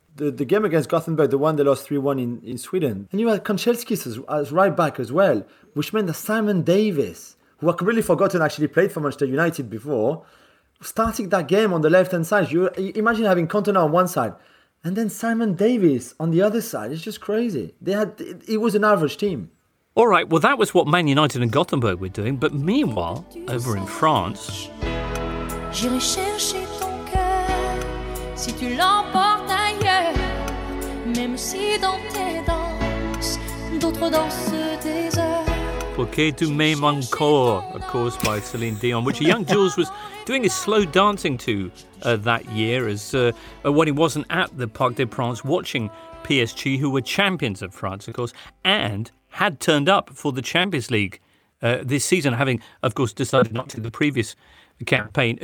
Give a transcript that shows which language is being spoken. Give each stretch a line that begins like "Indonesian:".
English: The game against Gothenburg, the one they lost 3-1 in Sweden. And you had Koncielski as right back as well, which meant that Simon Davis, who I completely forgotten actually played for Manchester United before, starting that game on the left-hand side. You imagine having Cantona on one side and then Simon Davis on the other side. It's just crazy. It was an average team. All right, well, that was what Man United and Gothenburg were doing. But meanwhile, over in France...
French: J'irai chercher ton cœur si tu l'emportes ailleurs, même si dans tes danses d'autres dansent des heures. Pourquoi tu m'aimes encore,
English: of course, by Celine Dion, which a young Jules was doing his slow dancing to that year as when he wasn't at the Parc des Princes watching PSG, who were champions of France, of course, and had turned up for the Champions League this season, having, of course, decided not to the previous campaign.